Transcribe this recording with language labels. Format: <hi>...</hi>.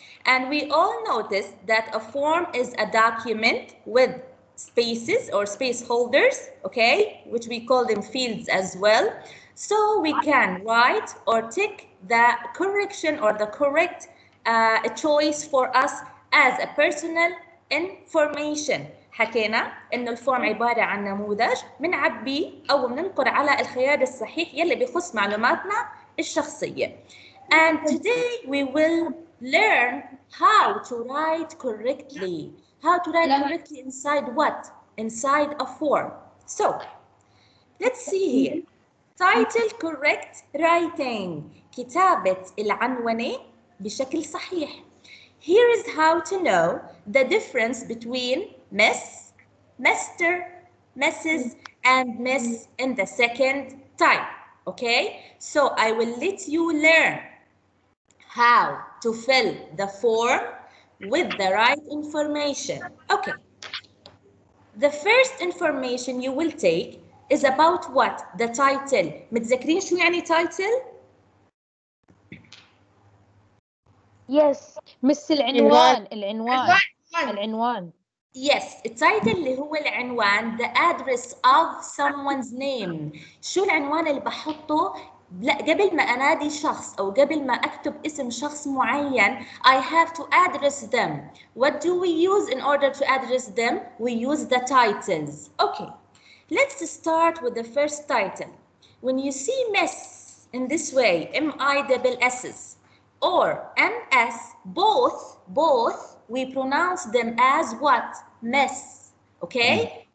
<en>And we all noticed that a form is a document with spaces or space holders, okay, which we call them fields as well. So we can write or tick the correction or the correct choice for us as a personal information.</en> <ar>حكينا إنه الفورم عبارة عن نموذج منعبي أو مننقر على الخيار الصحيح يلي بيخص معلوماتنا الشخصية.</ar> <en>And today we will learn how to write correctly. How to write correctly inside what? Inside a form. So, let's see here. Title correct writing.</en> <ar>كتابة العنوانة بشكل صحيح.</ar> <en>Here is how to know the difference between Miss, Mr, Mrs, and Miss in the second time. Okay, so I will let you learn how to fill the form with the right information. Okay, the first information you will take is about what? The title.</en> <ar>متذكرين شو يعني title?</ar> <en>Yes, Miss</en> <ar>العنوان. العنوان.</ar> <en>Yes, title</en> <ar>اللي هو العنوان,</ar> <en>the address of someone's name.</en> <ar>شو العنوان اللي بحطه قبل ما أنادي شخص أو قبل ما أكتب اسم شخص معين,</ar> <en>I have to address them. What do we use in order to address them? We use the titles. Okay, let's start with the first title. When you see Miss in this way, M-I-S-S, or M-S, both, we pronounce them as what? Miss. Okay?</en>